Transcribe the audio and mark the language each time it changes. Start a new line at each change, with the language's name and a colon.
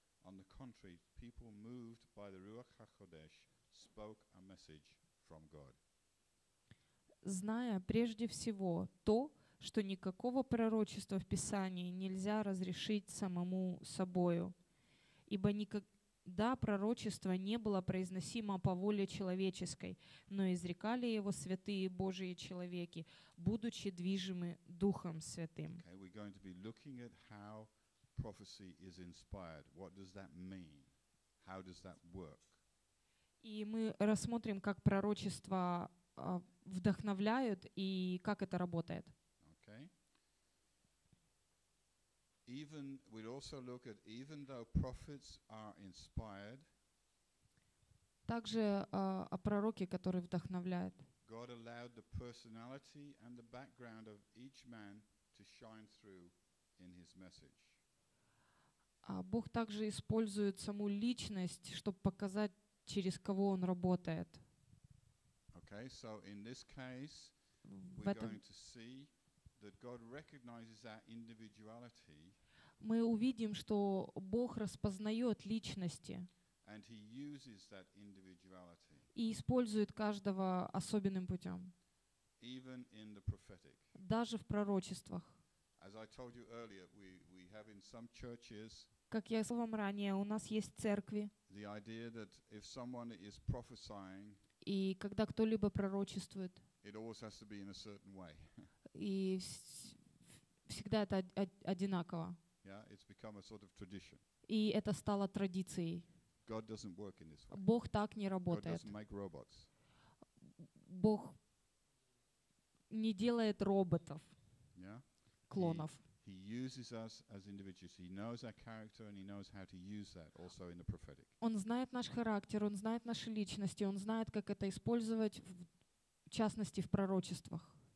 English: On the contrary, people moved by the Ruach HaKodesh spoke a message from God.
Russian: Зная прежде всего то, что никакого пророчества в Писании нельзя разрешить самому собою, ибо никогда пророчество не было произносимо по воле человеческой, но изрекали его святые Божии человеки, будучи движимы Духом Святым.
English: Okay, we're going to be looking at how prophecy is inspired. What does that mean? How does that work?
Russian: И мы рассмотрим, как пророчество вдохновляют и как это работает.
English: Okay. Even we'd also look at even though prophets are inspired.
Russian: Также о пророке, который вдохновляет.
English: God allowed the personality and the background of each man to shine through in his message.
Russian: Бог также использует саму личность, чтобы показать, через кого он работает.
English: Okay, so in this case, we're going to see that God recognizes our individuality.
Russian: Мы увидим, что Бог распознает личности
English: and he uses that individuality.
Russian: И использует каждого особенным путем.
English: Even in the prophetic.
Russian: Даже в пророчествах.
English: As I told you earlier, we have in some churches,
Russian: как я сказал вам ранее, у нас есть церкви.
English: The idea that if someone is prophesying,
Russian: и когда кто-либо пророчествует,
English: it always has to be in a certain way.
Russian: И всегда это одинаково.
English: Yeah, it's become a sort of tradition.
Russian: И это стало традицией.
English: God doesn't work in this way.
Russian: Бог так не работает.
English: God doesn't make robots.
Russian: Бог не делает роботов.
English: Yeah.
Russian: Клонов.
English: He uses us as individuals. He knows our character and he knows how to use that also in the prophetic.
Russian: Он знает наш характер, он знает наши личности, он знает, как это использовать в частности в пророчествах.